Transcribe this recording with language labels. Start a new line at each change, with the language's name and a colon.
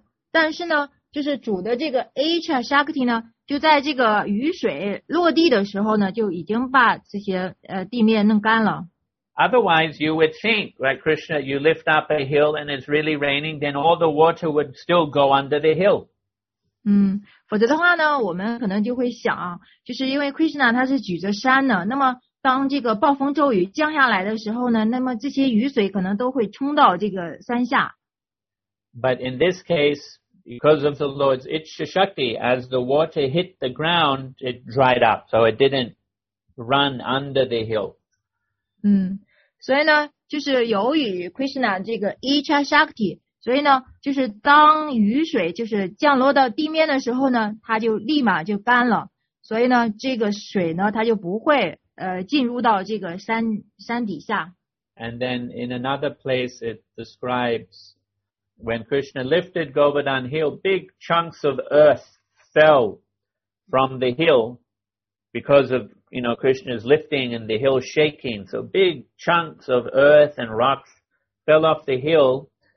Chinese: 但是呢，就是主的这个 Itcha Shakti 呢，就在这个雨水落地的时候呢，就已经把这些地面弄干了。
English: Otherwise, you would think, like Krishna, you lift up a hill and it's really raining, then all the water would still go under the hill.
Chinese: 否则的话呢我们可能就会想就是因为 Krishna 他是举着山的那么当这个暴风骤雨降下来的时候呢那么这些雨水可能都会冲到这个山下。
English: But in this case, because of the Lord's Itcha Shakti, as the water hit the ground, it dried up, so it didn't run under the hill.
Chinese: 所以呢就是由于 Krishna 这个 Itcha Shakti,所以呢就是当雨水就是降落到地面的时候呢它就立马就干了。所以呢这个水呢它就不会进入到这个山底下。
English: And then in another place it describes when Krishna lifted Govardhan Hill, big chunks of earth fell from the hill because of, you know, Krishna's lifting and the hill shaking. So big chunks of earth and rocks fell off the hill.